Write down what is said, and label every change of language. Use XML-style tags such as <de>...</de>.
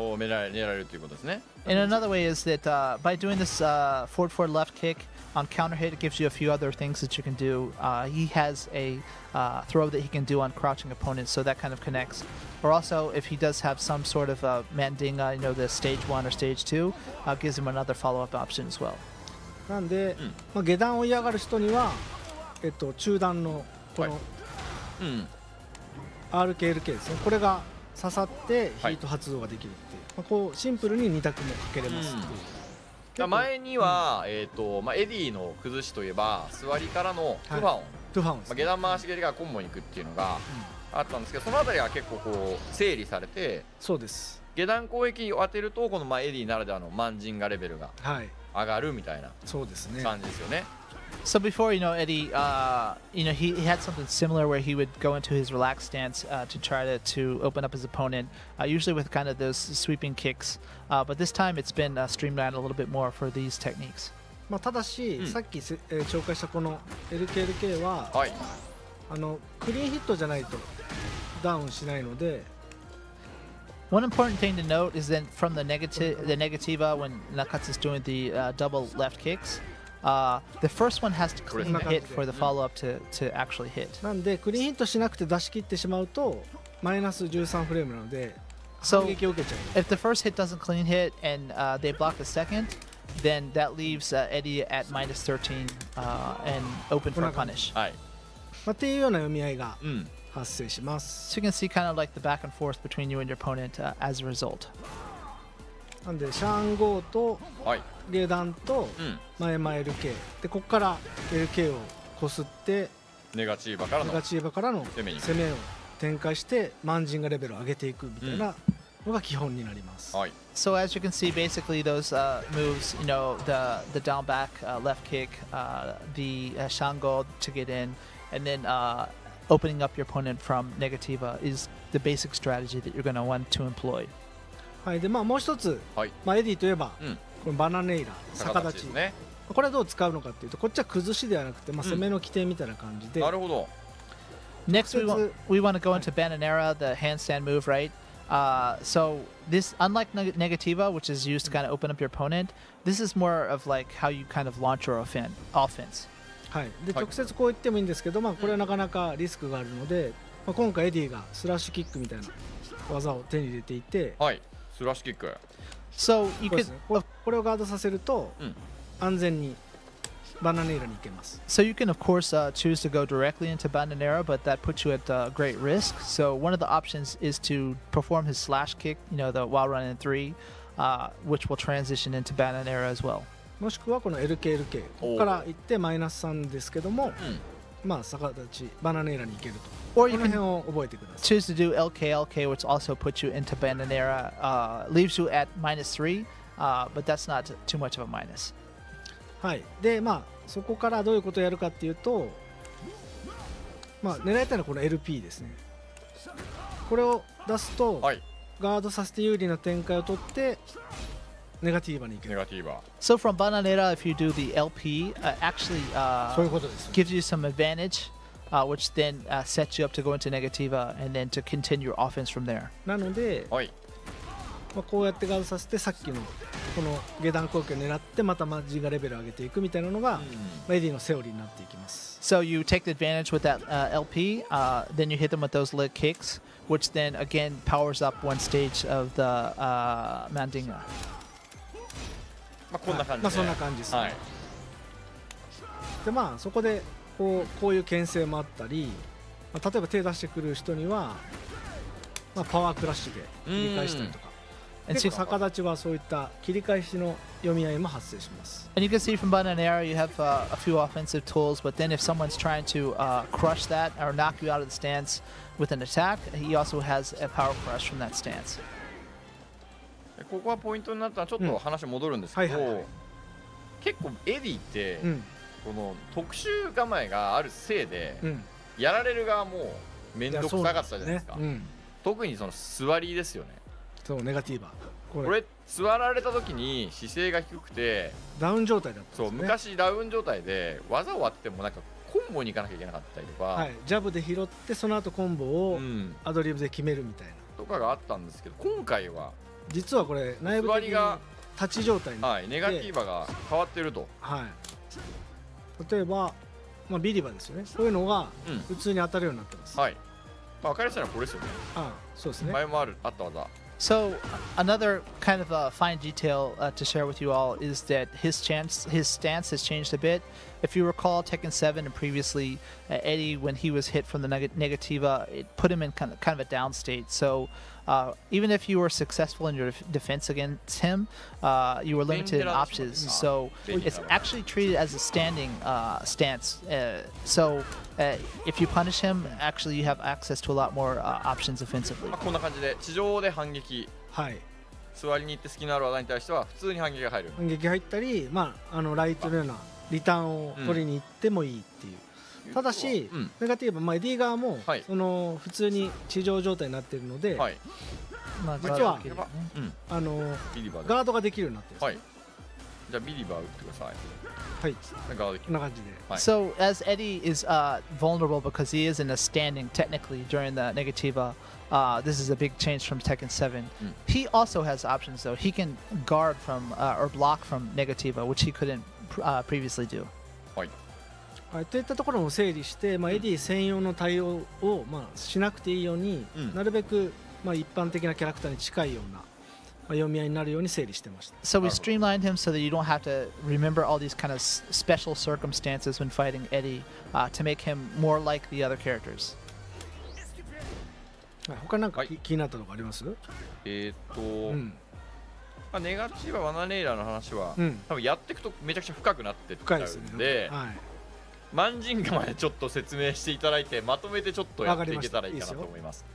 <ja>を狙えるということですね。</ja> <en>And another way is that by doing this forward forward left kick on counter hit, it gives you a few other things that you can do. He has a throw that he can do on crouching opponents, so that kind of connects. Or also, if he does have some sort of a mandinga, you know, the stage one or stage two, gives him another follow up option as well.</en> <ja>なんで、まあ下段を嫌がる人には、中段のこの、はい、RKLK ですね。これが刺さってヒート発動ができるっていう、はい、まあ、こうシンプルに2択もかけれますっていう。うん、前には、うん、まあ、エディの崩しといえば座りからのトゥファオン、はい、トゥファオン、まあ、下段回し蹴りがコンボに行くっていうのがあったんですけど、うん、そのあたりが結構こう整理されて、そうです、下段攻撃を当てるとこの、まあ、エディならではのマンジンガレベルが上がるみたいな感じですよね、はい、そうですね。</ja> <en>So before, you know, Eddie, you know, he had something similar where he would go into his relaxed stance to try to open up his opponent, usually with kind of those sweeping kicks. But this time it's been streamlined a little bit more for these techniques.</en> <ja>まあ、ただし、うん、さっき、紹介したこの LKLK は、はい、あのクリーンヒットじゃないとダウンしないので。</ja> <en>One important thing to note is that from the negativa when Nakatsu is doing the double left kicks,the first one has to clean the hit for the follow up to actually hit.</en> <ja>なんでクリーンヒットしなくて出し切ってしまうとマイナス13フレームなので反撃を受けちゃう。</ja> <en>So if the first hit doesn't clean hit and they block the second, then that leaves Eddie at minus 13 and open for a punish.</en> <ja>はい、まあ、っていうような読み合いが発生します、</ja> <en>うん、So you can see kind of like the back and forth between you and your opponent as a result.</en> <ja>なんでシャンゴーと、はい、下段と前前 LK、うん、でここから LK をこすってネガチーバからの攻めを展開してマンジンガレベルを上げていくみたいなのが基本になります、はい、</ja> <en>So as you can see basically those moves, you know, the down back left kick, the shango to get in and then opening up your opponent from negativa is the basic strategy that you're going to want to employ、</en> <ja>はい、でまあもう一つ、はい、まあ、エディといえば、うん、このバナネイラ逆立ちです、ね、これはどう使うのかというとこっちは崩しではなくて、まあ、攻めの起点みたいな感じで、うん、なるほど。</ja> <en>Next we want to go into Bananera、はい、the handstand move, right? So this, unlike negativa, which is used to kind of open up your opponent, this is more of like how you kind of launch your offense、</en> <ja>はい、で直接こう言ってもいいんですけど、まあ、これはなかなかリスクがあるので、まあ、今回エディがスラッシュキックみたいな技を手に入れていて、はい、スラッシュキック、</ja> <en>So you could,</en> <ja>これをガードさせると安全にバナネイラに行けます。</ja> <en>So you can of course choose to go directly into Bananera, but that puts you at great risk. So one of the options is to perform his slash kick, you know, the while running three, which will transition into Bananera as well.</en> <ja>もしくはこの LKLK から行ってマイナス3ですけども、まあ逆立ちバナネイラに行けると。</ja> <en>Or you can choose to do LKLK, which also puts you into Bananera, leaves you at minus 3, but that's not too much of a minus.</en> <ja>はい。で、まあ、そこからどういうことをやるかっていうと、まあ、狙いたいのはこの LP ですね。これを出すと、はい、ガードさせて有利な展開を取って、ネガティーバに行く。ネガティーバ。</ja> <en>So from Bananera, if you do the LP, actually</en> <ja>そういうことです、</ja> <en>ね、gives you some advantage. Which then sets you up to go into negativa and then to continue your offense from there.</en> <ja>なので、はい、まあ、こうやってガードさせてさっきのこの下段攻撃を狙ってまたマジガレベル上げていくみたいなのが、うん、エディのセオリーになっていきます。</ja> <en>So you take the advantage with that LP, then you hit them with those leg kicks, which then again powers up one stage of the mandinga.</en> <ja>まあこんな感じで。まあそんな感じです、ね。はい。でまあそこで。こういう牽制もあったり、まあ、例えば手出してくる人には、まあ、パワークラッシュで切り返したりとか、結構逆立ちはそういった切り返しの読み合いも発生します。</ja> <en>And you can see from Bananera you have a few offensive tools, but then if someone's trying to crush that or knock you out of the stance with an attack, he also has a power crush from that stance.</en> <ja>ここはポイントになったらちょっと話戻るんですけど、うん、はいはいはい、結構エディって、うん、この特殊構えがあるせいで、うん、やられる側も面倒くさかったじゃないですか。ね、うん、特にその座りですよね。そう、ネガティーバー。これ座られた時に姿勢が低くてダウン状態だったんですね。そう、昔ダウン状態で技を当ててもなんかコンボに行かなきゃいけなかったりとか、はい、ジャブで拾ってその後コンボをアドリブで決めるみたいな、うん、とかがあったんですけど、今回は実はこれ内部的に立ち状態に、はい、ネガティーバが変わってると。はい、例えば、まあ、ビリバですよね、こういうのが普通に当たるようになってます、うん、はい、まあ、分かりやすいのはこれですよね。あ、そうですね、前もあるあった技。</ja> <en>So another kind of a fine detail to share with you all is that his stance has changed a bit. If you recall Tekken 7 and previously Eddie, when he was hit from the negativa, it put him in kind of a down state. So even if you were successful in your defense against him, you were limited in options. So it's actually treated as a standing stance. So if you punish him, actually you have access to a lot more options offensively.</en> <ja>こんな感じで地上で反撃。はい。座りに行って好きのある技に対しては普通に反撃が入る。反撃入ったり、まああのライトのようなリターンを取りに行ってもいいっていう。ただし、ネガティブ、まあ、エディー側も、はい、その普通に地上状態になっているので、はい、まあ、実は、ね、あのビリバーガードができるようになっている、ね、はい、じゃあビリバー打ってください。</ja> <en>So as Eddie is vulnerable because he is in a standing technically during the negativa, this is a big change from Tekken 7. He also has options though. He can guard from or block from negativa, which he couldn't previously do.</en> <ja>はい。はい、といったところも整理して、まあ、エディ専用の対応を、まあ、しなくていいように、うん、なるべく、まあ、一般的なキャラクターに近いような、まあ、読み合いになるように整理してました。</ja> <en>So we streamlined him so that you don't have to remember all these kind of special circumstances when fighting Eddie, to make him more like the other characters.</en> <ja>他なんか、はい、気になったのがあります？まあ、ネガティバ・ワナネイラの話は、うん、多分やっていくとめちゃくちゃ深くなってっちゃうんで、深いですね。マンジンガまでちょっと説明していただいて、まとめてちょっとやっていけたらいいかなと思います。</ja>